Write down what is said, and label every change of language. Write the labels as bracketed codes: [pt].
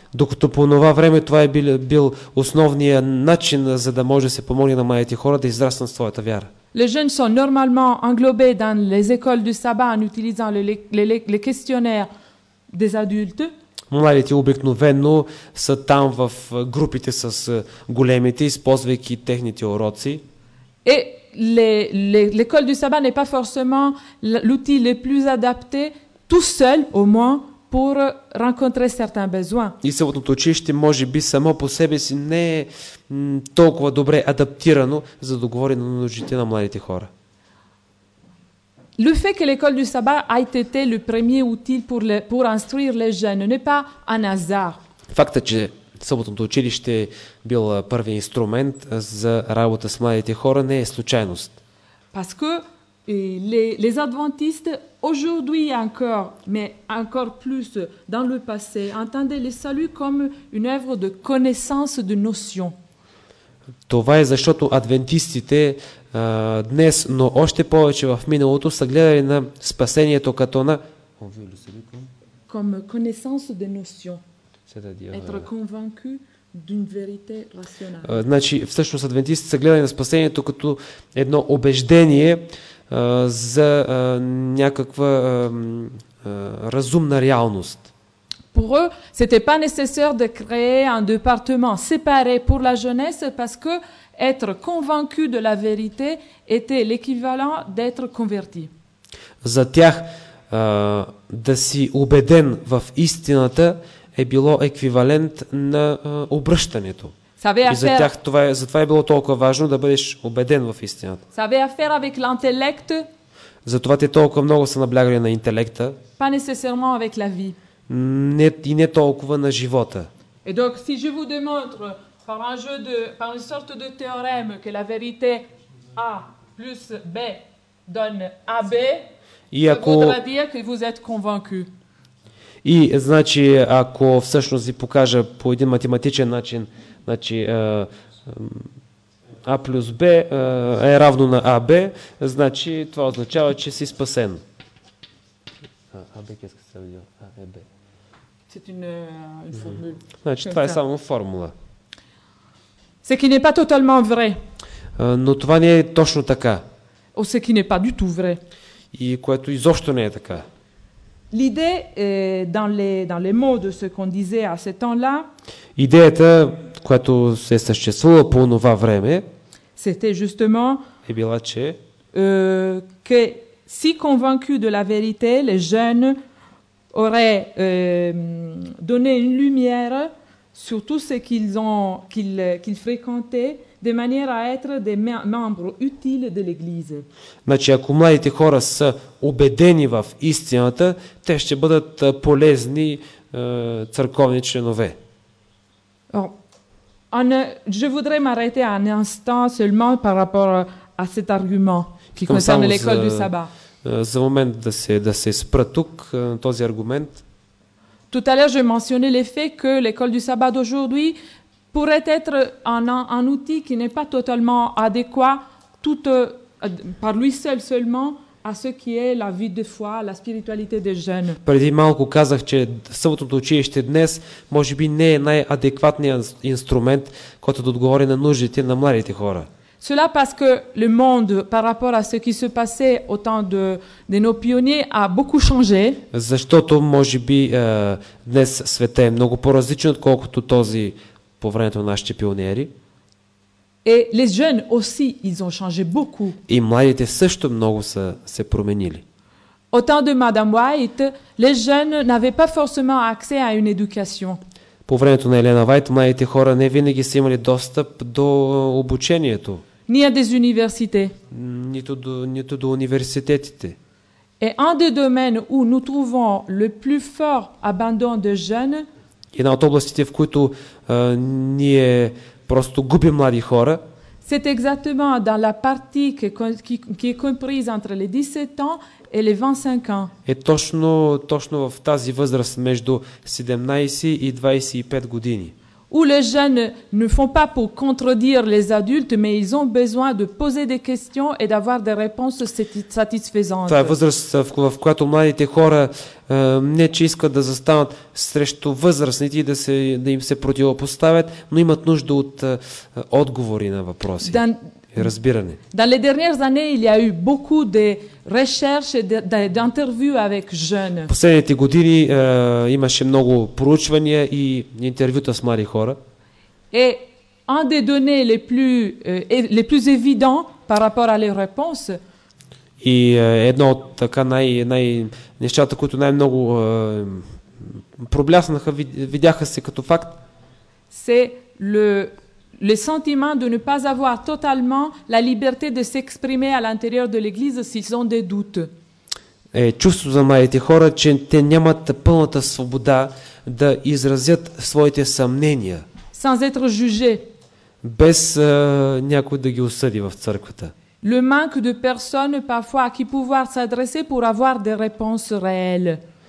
[bg] Докато по това време това е бил основният начин, за да може да се помогне на младите хора да израснат в своята вяра. [fr] Les jeunes sont normalement englobés dans les écoles du sabbat en utilisant les questionnaires des adultes. [bg] Младите обикновено са там в групите с големите, използвайки техните уроци. [fr] Et l'école du sabbat n'est pas forcément l'outil le plus adapté tout seul au moins pour rencontrer certains besoins. [bg] И съботното училище може би само по себе си не е толкова добре адаптирано за да говори на нуждите на младите хора. [fr] Le fait que l'école du sabbat ait été le premier outil pour instruire les jeunes n'est pas un hasard. [bg] Фактът, че съботното училище е бил първият инструмент за работа с младите хора, не е случайност. [fr] Parce que les adventistes aujourd'hui encore, mais encore plus dans le passé, entendaient le salut comme une œuvre de connaissance de notions. [bg] Това е защото адвентистите днес, но още повече в миналото, са гледали на спасението като на [fr] comme connaissance de notions. Être convaincu d'une vérité rationale. [bg] Значи всъщност адвентистите са гледали на спасението като едно убеждение за някаква разумна реалност. [fr] Pour eux, c'était pas nécessaire de créer un département séparé pour la jeunesse parce que être convaincu de la vérité était l'équivalent d'être converti. [bg] За тях да си убеден в истината е било еквивалент на обръщането. Затова е било толкова важно да бъдеш убеден в истината. [fr] Savait affaire avec l'intellect. [bg] Затова те толкова много са наблягали на интелекта. [fr] Pas nécessairement avec la vie. [bg] Не толкова на живота. [fr] Et donc si je vous démontre par un jeu de par une sorte de théorème que la vérité A plus B donne AB, ça voudra dire que vous êtes convaincu. [bg] И значи ако всъщност ви покажа по един математичен начин, значи А плюс Б е равно на АБ, значи това означава, че си спасен. АБ как се казва? АБ. [fr] C'est une [bg] формула. Значи това е само формула. [fr] Ce qui n'est pas totalement vrai. [bg] Но това не е точно така. [fr] Ou ce qui n'est pas du tout vrai. [bg] И което изобщо не е така. [fr] L'idée dans les mots de ce qu'on disait à ce temps-là. [bg] Идеята, която се съществува по това време, [fr] c'était justement et bien là, [bg] че, [fr] que si convaincus de la vérité, les jeunes auraient donné une lumière sur tout ce qu'ils fréquentaient de manière à être des membres utiles de l'Église. [bg] Значи, ако младите хора са убедени в истината, те ще бъдат полезни църковни членове. [fr] Je voudrais m'arrêter un instant seulement par rapport à cet argument qui concerne l'école du sabbat. [bg] За момент да се спра тук на този аргумент. [fr] Tout à l'heure, j'ai mentionné le fait que l'école du sabbat d'aujourd'hui pourrait être un outil qui n'est pas totalement adéquat tout par lui seul seulement à ce qui est la vie de foi, la spiritualité des jeunes. [bg] Преди малко казах, че съботното училище днес може би не е най-адекватният инструмент, който да отговори на нуждите на младите хора. [fr] Cela parce que le monde par rapport à ce qui se passait au temps de nos pionniers a beaucoup changé. [bg] Защото може би днес света е много по-различен отколкото този по времето на нашите пионери. [fr] Et les jeunes aussi, ils ont changé beaucoup. [bg] И младите също много са се променили. [fr] Au temps de Madame White, les jeunes n'avaient pas forcément accès à une éducation. [bg] По времето на Елена Вайт, младите хора не винаги са имали достъп до обучението. [fr] Ни à des universités. [bg] Нито до университетите. [fr] Et un des domaines où nous trouvons le plus fort abandon de jeunes. [bg] Една от областите, в които ние просто губим млади хора. [fr] C'est exactement dans la partie qui est comprise entre les 17 ans et les 25 ans. [bg] Е точно в тази възраст между 17 и 25 години. [fr] Où les jeunes ne font pas pour contredire les adultes, mais ils ont besoin de poser des questions et d'avoir des réponses satisfaisantes. [bg] Това е възраст, в която младите хора не че искат да застанат срещу възрастните и да им се противопоставят, но имат нужда от отговори на въпроси. Разбиране. [fr] Dans les dernières années, il y a eu beaucoup de recherches et d'interviews avec jeunes. [bg] Последните години имаше много проучвания и интервюта с млади хора. [fr] Et un des données les plus évidents par rapport à les réponses. [bg] И едно от така най нещата, които най-много пробляснаха, видяха се като факт. [fr] C'est le sentiment de ne pas avoir totalement la liberté de s'exprimer à l'intérieur de l'église s'ils ont des doutes. [bg] Е, чувство за младите хора, че те нямат пълната свобода да изразят своите съмнения. [fr] Sans être jugé. [bg] Без някой да ги осъди в църквата. [fr] Le manque de personnes parfois à qui pouvoir s'adresser pour avoir des réponses réelles.